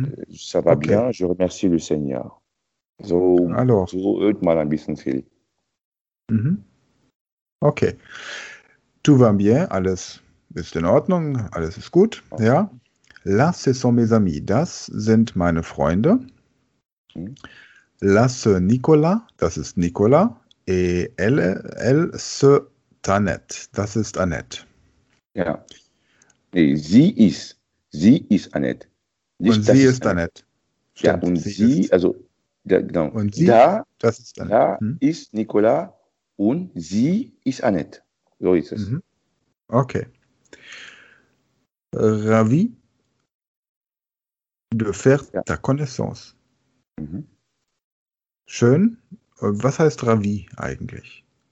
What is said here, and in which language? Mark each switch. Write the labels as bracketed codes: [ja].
[fr] Ça va bien, je remercie le Seigneur. [de] So, [fr] alors. [de] So hört man ein bisschen viel. Okay. [fr] Tout va bien, [de] alles ist in Ordnung, alles ist gut. Okay. Ja. [fr] Là, ce sont mes amis. [de] Das sind meine Freunde. [fr] Là, c'est Nicolas. [de] Das ist Nicolas. [fr] Et elle, c'est Annette. [de] Das ist Annette. Ja. Et sie ist Annette. Nicht, und sie ist Annette. Ja, und sie ist, also, da, genau. Und sie, da, das ist Annette. Da ist Nicolas. Und sie ist Annette. So ist es. Okay. [fr] ravi de faire ta connaissance. [de] Schön. Was heißt ravi eigentlich?